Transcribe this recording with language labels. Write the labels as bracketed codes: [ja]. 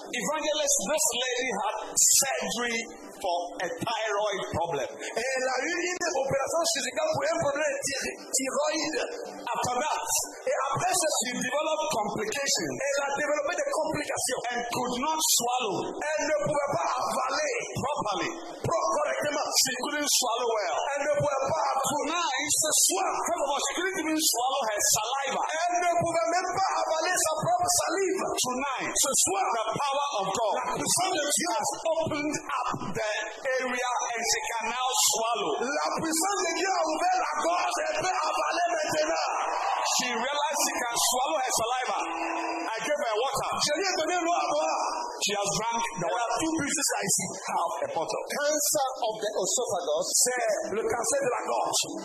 [en] evangelist, this lady had surgery for a thyroid problem. [fr] Elle a eu une opération chirurgicale pour un problème de thyroïde. [en] After that, [fr] et après ça, [en] she developed complications. [fr] Elle a développé des complications. [en] And could not swallow. [fr] Elle ne pouvait pas avaler [en] properly. [fr] Correctement. [en] She couldn't swallow well. [fr] Elle ne pouvait pas avaler. Ce soir, [en] she couldn't even swallow her saliva. [fr] Elle ne pouvait même pas avaler sa propre salive. [en] Tonight, [fr] ce soir, [en] the power of God, the Son of God, has opened up the area and she can now swallow. [fr] La puissance de Dieu a ouvert la gorge et peut avaler maintenant. [en] She realized she can swallow her saliva. I gave her water. She has drank the water. There are two pieces I see. Have a bottle. Cancer of the esophagus. [fr] C'est le cancer de la gorge.